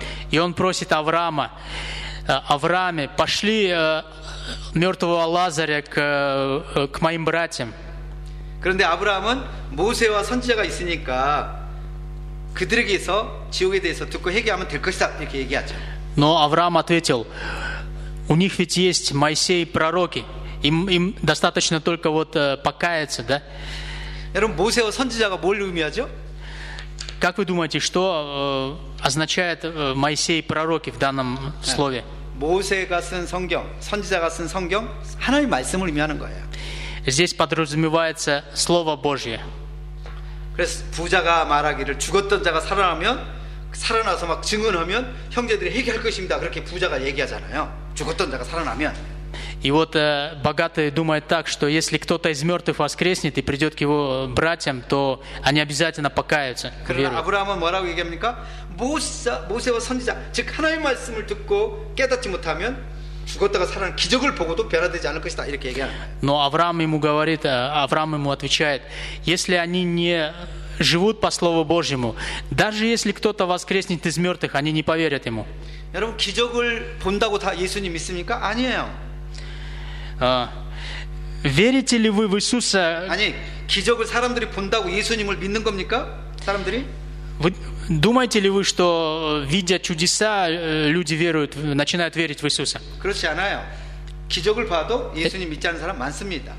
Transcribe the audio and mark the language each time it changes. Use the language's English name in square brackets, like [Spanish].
[Russian] И он просит Авраама, Аврааме, пошли мертвого Лазаря к моим братьям. [Korean] 그런데 아브라함은 모세와 선지자가 있으니까 그들에게서 지옥에 대해서 듣고 회개하면 될 것이다 이렇게 얘기하죠. [Russian] Но Авраам ответил: у них ведь есть Моисей и пророки. Им достаточно только вот покаяться, да? [Korean] 여러분, 모세와 선지자가 뭘 의미하죠? [Russian] Как вы думаете, что означает Моисей и пророки в данном слове? [Korean] 모세가 쓴 성경, 선지자가 쓴 성경, 하나님의 말씀을 의미하는 거예요. [Russian] Здесь подразумевается слово Божье. [Korean] 그래서 부자가 말하기를 죽었던 자가 살아나면 살아나서 막 증언하면 형제들이 회개할 것입니다. 그렇게 부자가 얘기하잖아요. 죽었던 자가 살아나면. [Russian] И вот богатые думают так, что если кто-то из мертвых воскреснет и придет к его братьям, то они обязательно покаются. [Korean] 그러나 아브라함은 뭐라고 얘기합니까? 모세와 선지자, 즉 하나님의 말씀을 듣고 깨닫지 못하면 죽었다가 살아난 기적을 보고도 변화되지 않을 것이다 이렇게 얘기하는 거예요. [Russian] Но Авраам ему говорит, Авраам ему отвечает: если они не живут по слову Божьему, даже если кто-то воскреснет из мертвых, они не поверят ему. [Korean] 여러분, 기적을 본다고 다 예수님 믿습니까? 아니에요. [Russian] Верите ли вы в Иисуса? [Korean] 아니, 기적을 사람들이 본다고 예수님을 믿는 겁니까? 사람들이? [Russian] Вы думаете ли вы, что видя чудеса, люди веруют, начинают верить в Иисуса? [Korean] 그렇지 않아요. 기적을 봐도 예수님 믿지 않는 사람 많습니다.